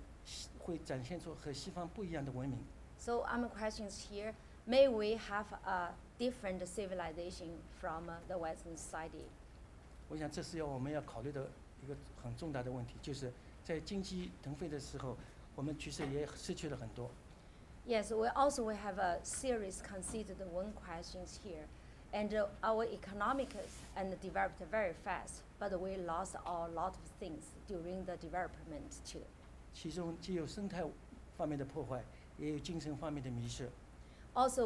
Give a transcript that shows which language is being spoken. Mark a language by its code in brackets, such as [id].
[zh] 所以说，我们这样一个历史发展的过程，是不是和会展现出和西方不一样的文明？ [en] So I'm questions here. May we have a different civilization from the Western society? [zh] 我想这是要我们要考虑的一个很重大的问题，就是。在经济腾飞的时候，我们其实也失去了很多。 [en] Yes, we have a serious considered one questions here, and our economic and developed very fast, but we lost a lot of things during the development too. [zh] 其中既有生态方面的破坏，也有精神方面的迷失。 [en] Also,